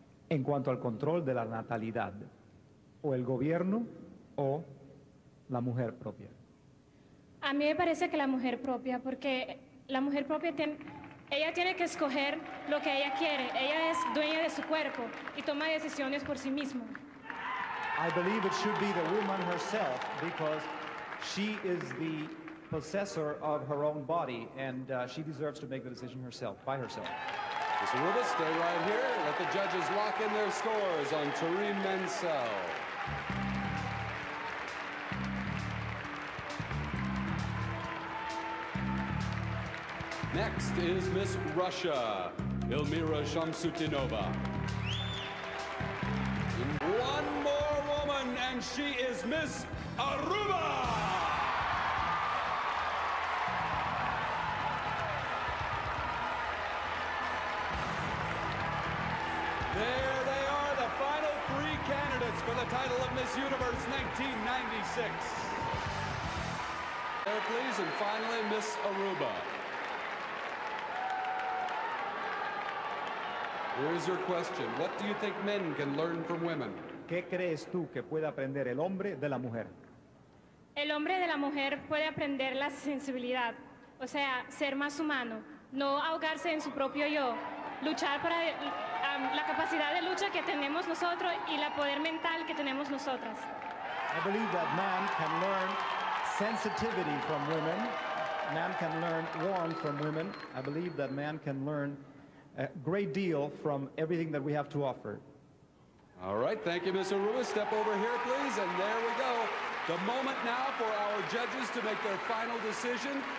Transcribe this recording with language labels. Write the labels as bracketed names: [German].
[Spanish] En cuanto al control de la natalidad, o el gobierno o la mujer propia. A mí me parece que la mujer propia, porque la mujer propia ella tiene que escoger lo que ella quiere. Ella es dueña de su cuerpo y toma decisiones por sí misma. [English] I believe it should be the woman herself, because she is the possessor of her own body, and she deserves to make the decision herself, by herself. Ms. Aruba, stay right here. Let the judges lock in their scores on Taryn Mansell. Next is Miss Russia, Elmira Shamsutinova. One more woman, and she is Miss Aruba! There they are, the final three candidates for the title of Miss Universe 1996. There, please, and finally, Miss Aruba. Here's your question. What do you think men can learn from women? [Spanish] ¿Qué crees tú que puede aprender el hombre de la mujer? El hombre de la mujer puede aprender la sensibilidad, o sea, ser más humano, no ahogarse en su propio yo, luchar para la capacidad de lucha que tenemos nosotros y la poder mental que tenemos nosotras. [English] I believe that man can learn sensitivity from women. Man can learn warmth from women. I believe that man can learn a great deal from everything that we have to offer. All right, thank you, Ms. Aruba. Step over here, please, and there we go. The moment now for our judges to make their final decision.